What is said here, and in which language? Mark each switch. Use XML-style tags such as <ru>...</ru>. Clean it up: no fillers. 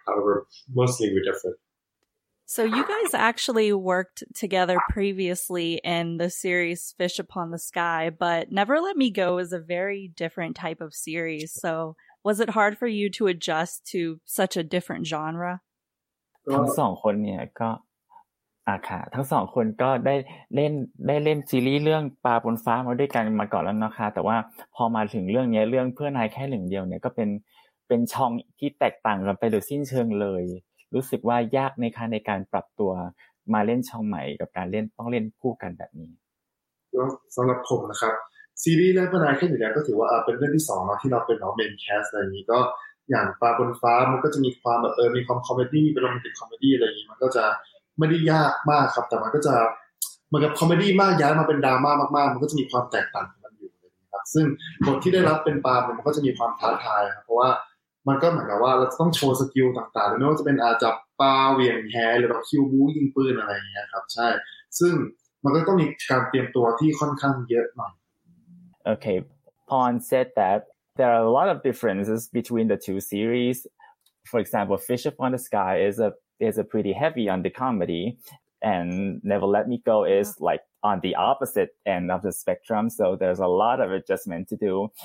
<en>However, mostly we're different. So you guys actually worked together previously in the series Fish Upon the Sky, but Never Let Me Go is a very different type of series. So was it hard for you to adjust to such a different genre?</en> <th>ทั้งสองคนเนี่ยก็ค่ะทั้งสองคนก็ได้เล่นซีรีส์เรื่องปลาบนฟ้ามาด้วยกันมาก่อนแล้วนะคะแต่ว่าพอมาถึงเรื่องนี้เรื่องเพื่อนายแค่หนึ่งเดียวเนี่ยก็เป็นช่องที่แตกต่างกันไปโดยสิ้นเชิงเลยรู้สึกว่ายากในการปรับตัวมาเล่นช่องใหม่กับการเล่นต้องเล่นคู่กันแบบนี้สำหรับผมนะครับซีรีส์แรกพนายแค่หนึ่งเดียวก็ถือว่าเป็นเรื่องที่สองที่เราเป็นเมนแคสต์อะไรนี้ก็อย่างปลาบนฟ้ามันก็จะมีความแบบมีความคอมเมดี้เป็นโรแมนติกคอมเมดี้อะไรนี้มันก็จะไม่ได้ยากมากครับแต่มันก็จะ เหมือนกับคอมเมดี้มากย้ายมาเป็นดราม่ามากๆมันก็จะมีความแตกต่างกันอยู่นะครับซึ่งบทที่ได้รับเป็นปลาเนี่ยมันก็จะมีความท้าทายครับเพราะว่ามันก็เหมือนกับว่าเราต้องโชว์สกิลต่างๆไม่ว่าจะเป็นอาจับปลาเวียงแฮหรือเราคิวบู๊ยิงปืนอะไรอย่างเงี้ยครับใช่ซึ่งมันก็ต้องมีการเตรียมตัวที่ค่อนข้างเยอะหน่อย</th> <en>Okay, Pawn said that there are a lot of differences between the two series. For example, Fish Upon the Sky is a pretty heavy on the comedy, and Never Let Me Go is like. On the opposite end of the spectrum, so there's a lot of adjustment to do.</en>